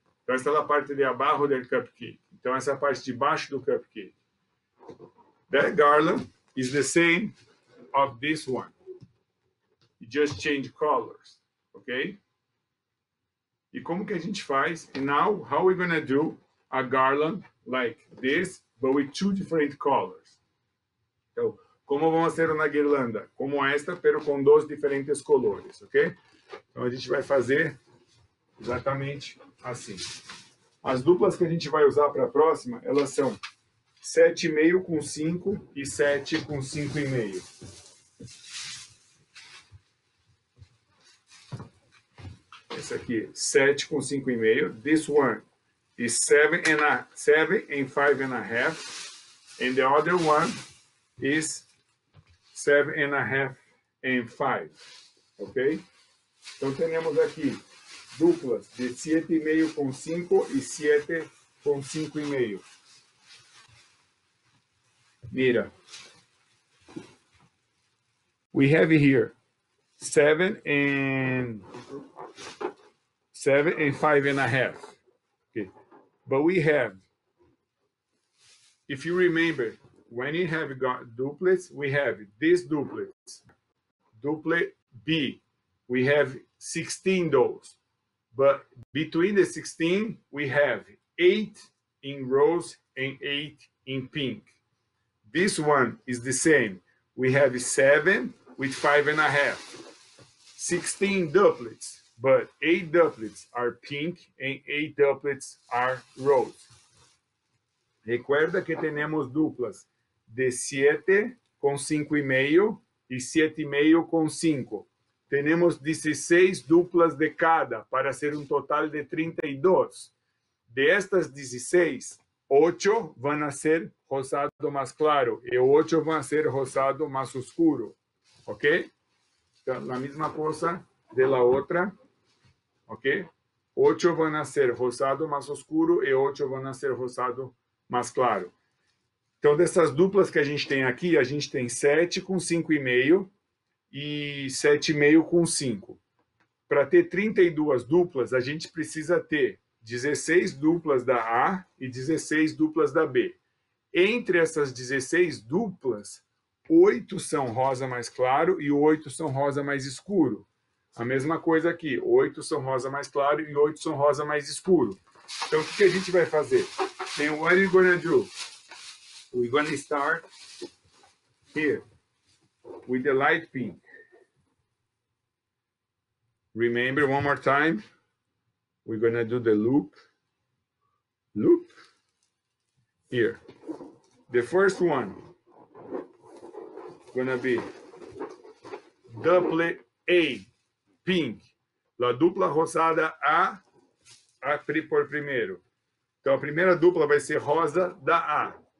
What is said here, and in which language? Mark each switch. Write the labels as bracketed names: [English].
[Portuguese] Então, essa é a parte de abaixo do cupcake. Então, essa é a parte de baixo do cupcake. [English] That garland is the same of this one. You just change colors. Okay? [Portuguese] E como que a gente faz? [English] And now, how are we going to do a garland like this, but with two different colors? [Portuguese] Então, como vão ser uma guirlanda? Como esta, pero com dois diferentes colores, ok? Então, a gente vai fazer exatamente assim. As duplas que a gente vai usar para a próxima, elas são 7,5 com 5 e 7 com 5,5. Esse aqui, 7 com 5,5. [English] This one is 7 and 5 and a half. And the other one is 7 and a half and 5. Ok? [Portuguese] Então, temos aqui duplas de 7,5 com 5 e 7 com 5,5. [Spanish] Mira. [English] We have here 7 and 5 and a half. Okay. But we have, if you remember, when you have got duplets, we have this duplet. Duplet B. We have 16 those. But between the 16, we have 8 in rose and 8 in pink. This one is the same. We have 7 with 5 and a half. 16 duplets, but 8 duplets are pink and 8 duplets are rose. [Spanish] Recuerda que tenemos duplas de 7 con 5,5 y 7,5 con 5. Tenemos 16 duplas de cada para hacer un total de 32. De estas 16, 8 van a ser rosado más claro y 8 van a ser rosado más oscuro. ¿Ok? La misma cosa de la otra. ¿Ok? 8 van a ser rosado más oscuro y 8 van a ser rosado más claro. [Portuguese] Então, dessas duplas que a gente tem aqui, a gente tem 7 com 5,5 e 7,5 com 5. Para ter 32 duplas, a gente precisa ter 16 duplas da A e 16 duplas da B. Entre essas 16 duplas, 8 são rosa mais claro e 8 são rosa mais escuro. A mesma coisa aqui, 8 são rosa mais claro e 8 são rosa mais escuro. Então, o que a gente vai fazer? [English] Then, what are you going to do? We're going to start here with the light pink. Remember, one more time, we're going to do the loop. Loop. Here. The first one is going to be duplet A, pink. [Spanish] La dupla rosada A, A por primeiro. [Portuguese] Então, a primeira dupla vai ser rosa da A.